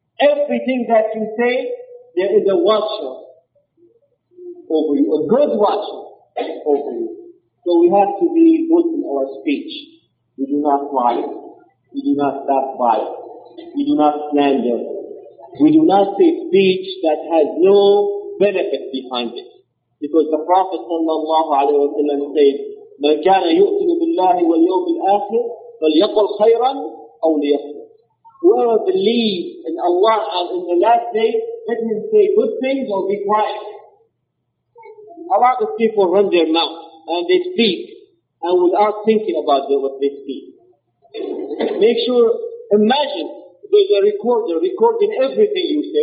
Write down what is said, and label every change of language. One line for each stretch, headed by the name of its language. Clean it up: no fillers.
English: Everything that you say, there is a watcher over you, a good watcher over you. So we have to be good in our speech. We do not lie. We do not backbite. We do not slander. We do not say speech that has no benefit behind it. Because the Prophet ﷺ said,
Arabic: مَنْ كَانَ يُؤْتِنُ بِاللَّهِ وَالْيَوْمِ الْآخِرِ فَلْيَقُلْ خَيْرًا أَوْ لِيَصْرِ.
English: Whoever believes in Allah and in the last day, let him say good things or be quiet. A lot of people run their mouth and they speak and without thinking about what they speak. Make sure, imagine there's a recorder recording everything you say.